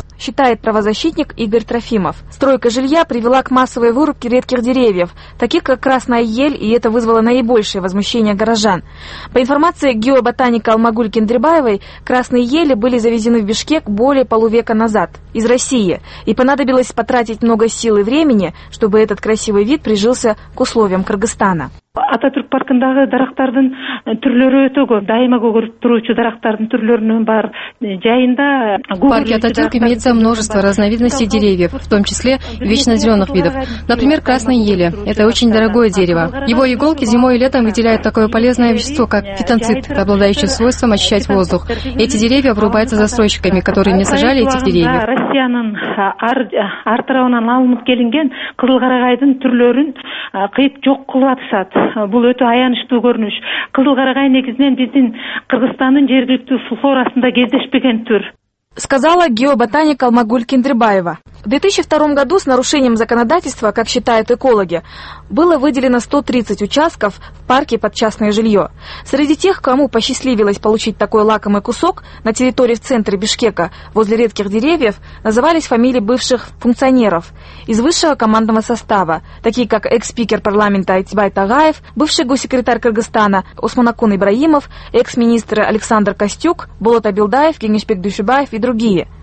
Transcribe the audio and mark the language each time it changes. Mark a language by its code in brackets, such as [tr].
[ru] Считает правозащитник Игорь Трофимов. Стройка жилья привела к массовой вырубке редких деревьев, таких как красная ель, и это вызвало наибольшее возмущение горожан. По информации геоботаника Алмагуль Кендрибаевой, красные ели были завезены в Бишкек более полувека назад из России, и понадобилось потратить много сил и времени, чтобы этот красивый вид прижился к условиям Кыргызстана. [ky] Ататюрк паркындагы дарактардын түрлөрү өтө көп. Дайыма көгөрүп туруучу дарактардын түрлөрүнүн бар жайында. [ru] В парке Ататюрк имеется множество разновидностей деревьев, в том числе вечно зеленых видов. Например, красные ели. Это очень дорогое дерево. Его иголки зимой и летом выделяют такое полезное вещество, как фитонцид, обладающий свойством очищать воздух. Эти деревья врубаются застройщиками, которые не сажали этих деревьев. [ky] Россиянын ар тарабынан алынып келинген кызыл карагайдын түрлөрүн кыйып жок кылып атышат. Бул өтө аянычтуу көрүнүш. Кызыл карагай негизинен биздин Кыргызстандын жергиликтүү флорасында кездешпеген түр. [ru] Сказала геоботаник Алмагуль Кендрибаева. В 2002 году с нарушением законодательства, как считают экологи, было выделено 130 участков в парке под частное жилье. Среди тех, кому посчастливилось получить такой лакомый кусок на территории в центре Бишкека, возле редких деревьев, назывались фамилии бывших функционеров из высшего командного состава, такие как экс-спикер парламента Айтибай Тагаев, бывший госсекретарь Кыргызстана Усманакун Ибраимов, экс-министр Александр Костюк, Болот Абилдаев, Кеңешбек Дүйшөбаев и другие.